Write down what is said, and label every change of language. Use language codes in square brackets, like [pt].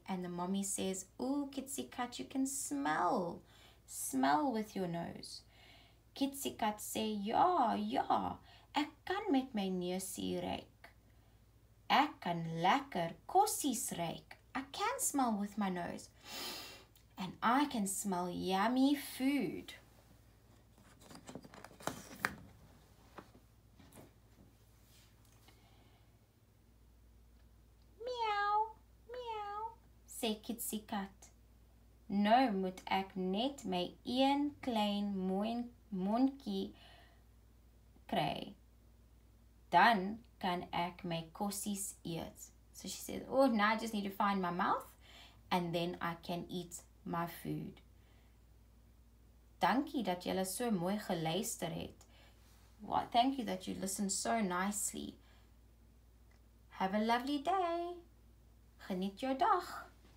[en] And the mommy says, "Ooh, Kietsie Kat, you can smell. Smell with your nose." [af] Kietsie Kat sê, "Ja, ja, ek kan met my neusie ruik. Ek kan lekker kossies ruik. [en] I can smell with my nose. and I can smell yummy food. [af] Meow, meow, sê Kietsie Kat. Nou moet ek net my een klein mondkie kry. Dan kan ek my kossies eet. [en] So she says, oh, now I just need to find my mouth and then I can eat my food. [af] Dankie dat julle so mooi geluister het. [en] Well, thank you that you listened so nicely. Have a lovely day. [af] Geniet jou dag.